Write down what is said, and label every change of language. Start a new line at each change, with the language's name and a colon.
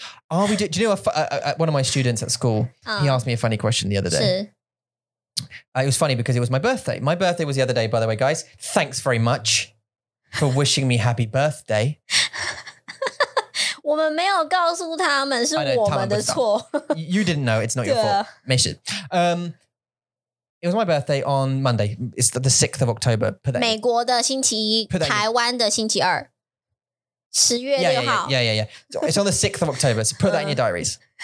English: Are we? Do you know, one of my students at school, he asked me a funny question the other day. It was funny because it was my birthday. My birthday was the other day, by the way, guys. Thanks very much. For wishing me happy birthday.
Chinese: 我们没有告诉他们是我们的错。
English: You didn't know, it's not your fault. Mission. It was my birthday on Monday. It's the 6th of October.
Chinese: 美国的星期一,台湾的星期二。十月六号。
English: Yeah. It's on the 6th of October, so put that in your diaries.